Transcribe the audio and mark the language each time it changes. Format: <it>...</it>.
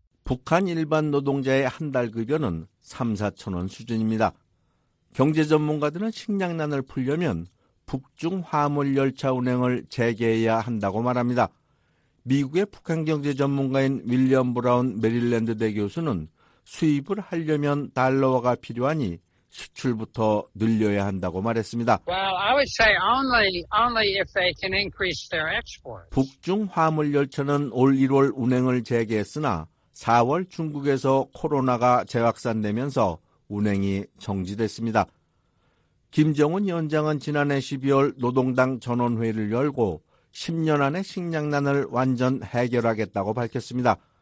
<ko>북한 일반 노동자의 한 달 급여는 3, 4천 원 수준입니다. 경제 전문가들은 식량난을 풀려면 북중 화물 열차 운행을 재개해야 한다고 말합니다. 미국의 북한 경제 전문가인 윌리엄 브라운 메릴랜드 대 교수는 수입을 하려면 달러화가 필요하니 수출부터 늘려야 한다고 말했습니다.</ko> <en>Well, I would say only if they can increase their exports.</en> <ko>북중 화물 열차는 올 1월 운행을 재개했으나 4월 중국에서 코로나가 재확산되면서 운행이 정지됐습니다. 김정은 위원장은 지난해 12월 노동당 전원회의를 열고 10년 안에 식량난을 완전 해결하겠다고 밝혔습니다.</ko>